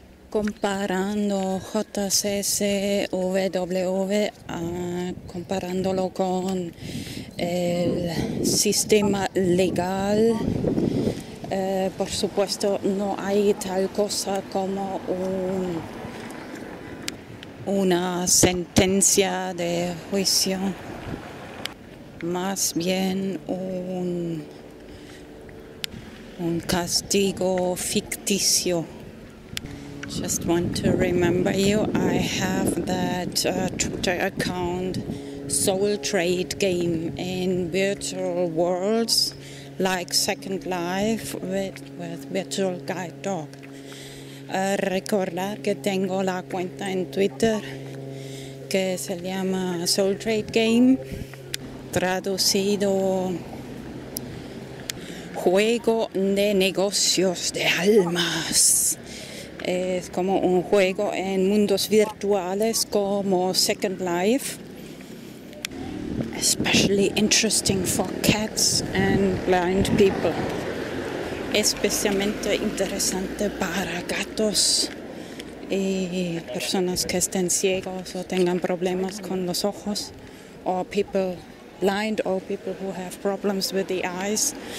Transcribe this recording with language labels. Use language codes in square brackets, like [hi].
[es] Comparando JCC WW comparándolo con el sistema legal, por supuesto no hay tal cosa como una sentencia de juicio, más bien un castigo ficticio. [en] Just want to remember you, I have that Twitter account Soul Trade Game in virtual worlds like Second Life with Virtual Guide Dog. [es] Recordar que tengo la cuenta en Twitter que se llama Soul Trade Game, traducido Juego de Negocios de Almas. Es como un juego en mundos virtuales como Second Life. [en] Especially interesting for cats and blind people. [es] Especialmente interesante para gatos y personas que estén ciegos o tengan problemas con los ojos. [en] Or people blind or people who have problems with the eyes.